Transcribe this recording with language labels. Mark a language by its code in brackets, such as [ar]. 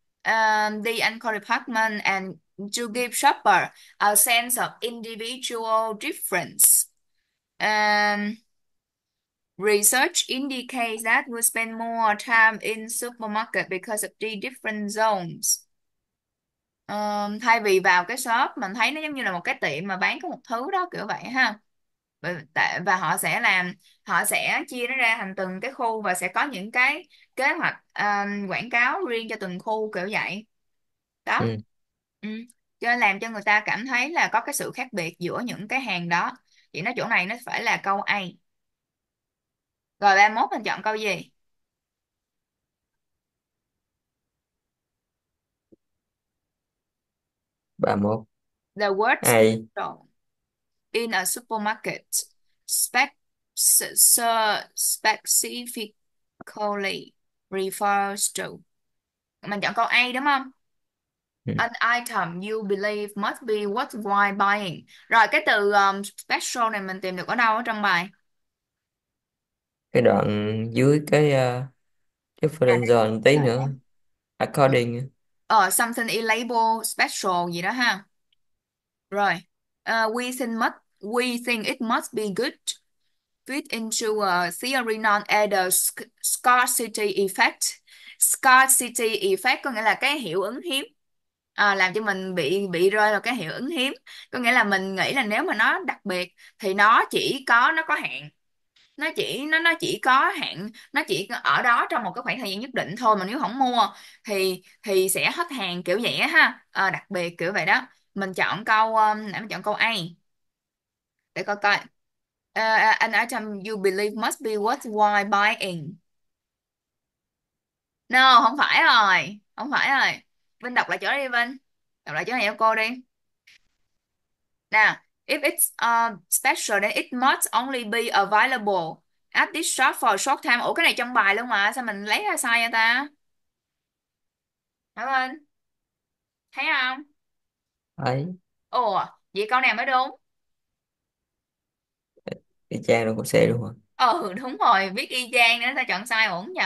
[en] The anchor department and to give shopper a sense of individual difference. Research indicates that we spend more time in supermarket because of the different zones. [vi] Thay vì vào cái shop mình thấy nó giống như là một cái tiệm mà bán có một thứ đó kiểu vậy ha, và họ sẽ chia nó ra thành từng cái khu và sẽ có những cái kế hoạch quảng cáo riêng cho từng khu kiểu vậy đó. ừ. Cho làm cho người ta cảm thấy là có cái sự khác biệt giữa những cái hàng đó. Chỉ nói chỗ này nó phải là câu A. Rồi 31 mình chọn câu gì? Ba mốt [en] The ai words in a supermarket specifically refers to. [vi] Mình chọn câu A đúng không? [en] An item you believe must be worthwhile buying. [vi] Rồi cái từ special này mình tìm được ở đâu ở trong bài? cái đoạn dưới cái Đây. [en] friend zone tí [vi] Đây. [en] nữa according. Something illable special [vi] gì đó ha. [en] Rồi, we think it must be good, fit into a theory known as the scarcity effect. Scarcity effect [vi] có nghĩa là cái hiệu ứng hiếm. làm cho mình bị rơi vào cái hiệu ứng hiếm. Có nghĩa là mình nghĩ là nếu mà nó đặc biệt thì nó có hạn. Nó chỉ có hạn, nó chỉ ở đó trong một cái khoảng thời gian nhất định thôi, mà nếu không mua thì sẽ hết hàng kiểu vậy ha. Đặc biệt kiểu vậy đó. Mình chọn câu nãy mình chọn câu A. Để coi coi. [en] An item you believe must be worthwhile buying. No, [vi] không phải rồi. Không phải rồi. Vinh đọc lại chỗ đó đi Vinh. Đọc lại chỗ này cho cô đi. [en] Nè, if it's special then it must only be available at this shop for a short time. [vi] Ủa cái này trong bài luôn mà. Sao mình lấy ra sai vậy ta? Hả Vinh? Thấy không? Ấy Ủa, vậy câu này mới đúng. đi trang luôn cũng xe luôn rồi. Ừ đúng rồi, biết y chang nữa sao chọn sai uổng vậy.